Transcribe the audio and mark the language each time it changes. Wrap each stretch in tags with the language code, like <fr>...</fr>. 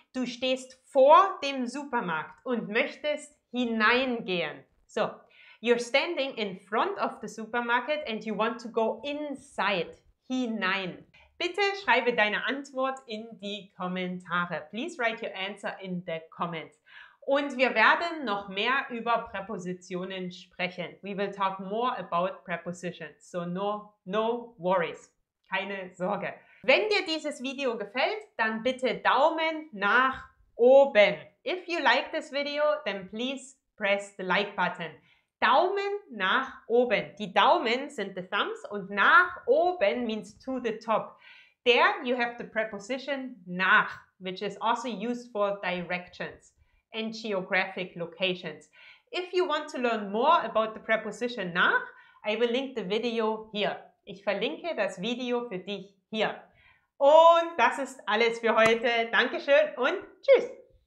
<de>Du stehst vor dem Supermarkt und möchtest hineingehen.</de> <en>So, you're standing in front of the supermarket and you want to go inside, hinein.</en> <de>Bitte schreibe deine Antwort in die Kommentare.</de> <en>Please write your answer in the comments.</en> <de>Und wir werden noch mehr über Präpositionen sprechen.</de> <en>We will talk more about prepositions. So, no worries.</en> <de>Keine Sorge. Wenn dir dieses Video gefällt, dann bitte Daumen nach oben.</de> <en>If you like this video, then please press the like button.</en> <de>Daumen nach oben. Die Daumen sind</de> <en>the thumbs</en> <de>und nach oben</de> <en>means to the top. There you have the preposition nach, which is also used for directions and geographic locations. If you want to learn more about the preposition nach, I will link the video here.</en> <de>Ich verlinke das Video für dich hier. Und das ist alles für heute. Dankeschön und tschüss!</de>